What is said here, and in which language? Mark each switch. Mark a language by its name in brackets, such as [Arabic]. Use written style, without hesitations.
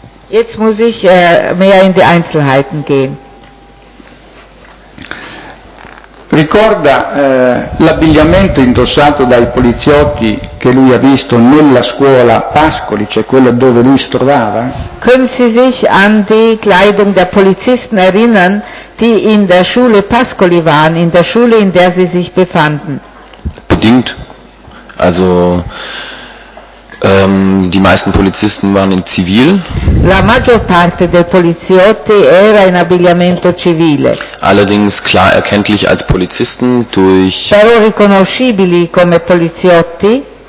[German] Jetzt muss ich mehr in die Einzelheiten gehen. [Italian] Ricorda l'abbigliamento indossato dai poliziotti che lui ha visto nella scuola Pascoli, cioè quello dove lui si trovava? [German] Können Sie sich an die Kleidung der Polizisten erinnern, die in der Schule Pascoli waren, in der Schule, in der sie sich befanden? Bedingt. Also die meisten Polizisten waren in Zivil. [Italian] La maggior parte dei poliziotti era in abbigliamento civile. [German] Allerdings klar erkenntlich als Polizisten durch. [Italian] Però riconoscibili come poliziotti.